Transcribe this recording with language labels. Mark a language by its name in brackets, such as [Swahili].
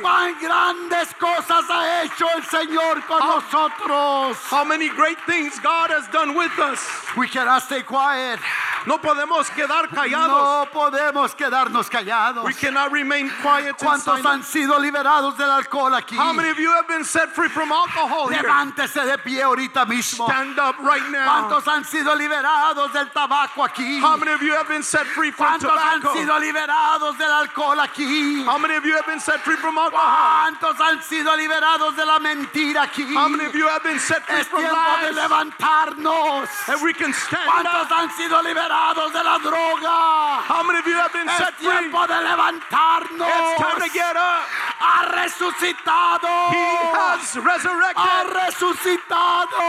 [Spanish] ¿Cuán grandes cosas ha hecho el Señor con nosotros? [English] How many great things God has done with us. We cannot stay quiet. [Spanish] No podemos quedar callados. No podemos quedarnos callados. [English] We cannot remain quiet. [Spanish] ¿Cuántos han sido liberados del alcohol aquí? [English] How many of you have been set free from alcohol here? [Spanish] Levántese de pie ahorita mismo. [English] Stand up right now. [Spanish] ¿Cuántos han sido liberados del tabaco aquí? [English] How many of you have been set free from [Spanish] ¿Cuántos [English] tobacco? [Spanish] ¿Cuántos han sido liberados del alcohol aquí? [English] How many of you have been set free from alcohol? [Spanish] ¿Cuántos han sido liberados de la mentira aquí? [English] How many of you have been set free from lies? [Spanish] Es tiempo de levantarnos. [English] And we can stand [Spanish] ¿Cuántos ¿Cuántos han sido liberados de la droga? [English] How many of you have been [Spanish] es [English] set free? [Spanish] Es tiempo de levantarnos. [English] It's time to get up. [Spanish] Ha resucitado. [English] He has resurrected. [Spanish] Ha resucitado.